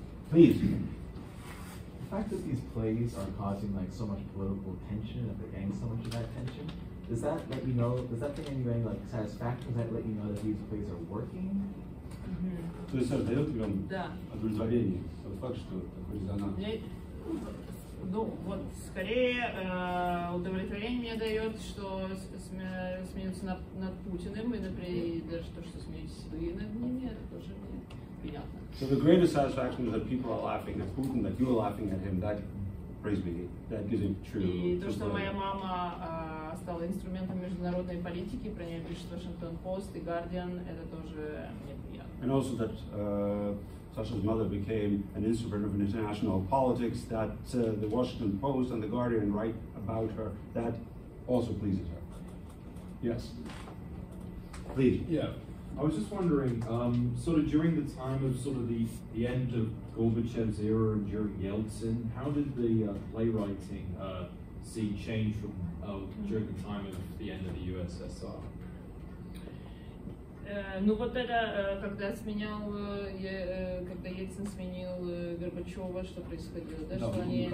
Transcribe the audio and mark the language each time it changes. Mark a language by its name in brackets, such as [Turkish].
[English] Please. The fact that these plays are causing like so much political tension and they're getting so much of that tension, does that let you know, does that bring any way, like, satisfaction? Does that let you know that these plays are working? [Russian] То есть создает вам удовлетворение от факта, что такой резонанс? Ну, вот скорее удовлетворение мне дает, что смеются над Путиным, и, например, и даже то, что смеются вы над ними, это тоже мне приятно. [English] So the greatest satisfaction is that people are laughing at Putin, that you are laughing at him, that praise be, that gives him true... [Russian] И то, что моя мама стала инструментом международной политики, про нее пишет Washington Post и Guardian, это тоже мне приятно. [English] And also that Sasha's mother became an instrument of international politics, that the Washington Post and the Guardian write about her, that also pleases her. Yes. Please. Yeah. I was just wondering, sort of during the time of sort of the end of Gorbachev's era and during Yeltsin, how did the playwriting scene change from during the time of the end of the USSR? [Russian] Ну вот это, когда сменял, когда Ельцин сменил Горбачева, что происходило, да, что они,